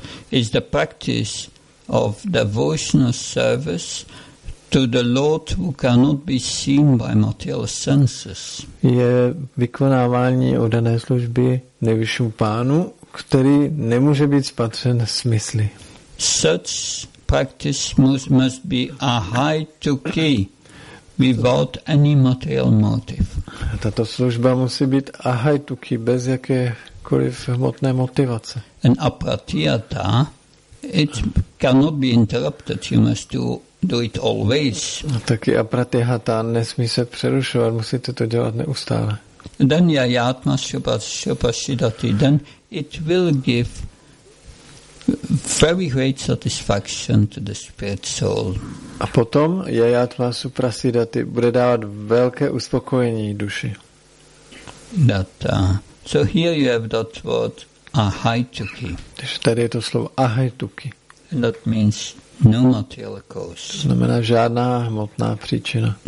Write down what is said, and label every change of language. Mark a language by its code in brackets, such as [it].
[en] is the practice of devotional service to the Lord who cannot be seen by material senses. [cs] Je vykonávání oddané služby nejvyššímu pánu, který nemůže být spatřen smysly. [en] Such practice must be a high to key. Without any material motive. [cs] Tato služba musí být ahaituki, bez jakékoliv hmotné motivace. [en] An apratiyata, it cannot be interrupted, you must do it always. [cs] A taky apratiyata nesmí se přerušovat, musíte to dělat neustále. [en] Then [sa] yayatma shubhashidati, [en] then it will give very great satisfaction to the spirit soul. [cs] A potom [sa] yayatma suprasidati [cs] bude dávat velké uspokojení duši. [en] That, so here you have that word ahaituki. [cs] Takže tady je to slovo ahaituki. [en] And that means no material cause. [cs] To znamená žádná hmotná příčina.